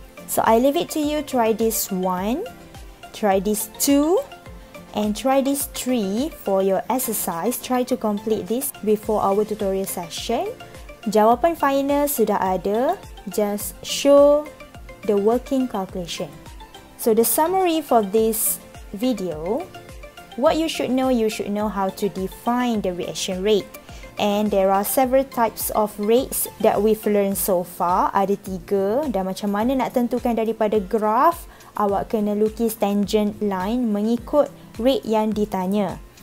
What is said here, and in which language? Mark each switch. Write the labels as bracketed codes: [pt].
[en] So I leave it to you, try this 1, try this 2, and try this 3 for your exercise. Try to complete this before our tutorial session. [ms] Jawapan final sudah ada. [en] Just show the working calculation. So the summary for this video, what you should know how to define the reaction rate. And there are several types of rates that we've learned so far. [ms] Ada 3. Dan macam mana nak tentukan daripada graf, awak kena lukis tangent line mengikut rate yang ditanya.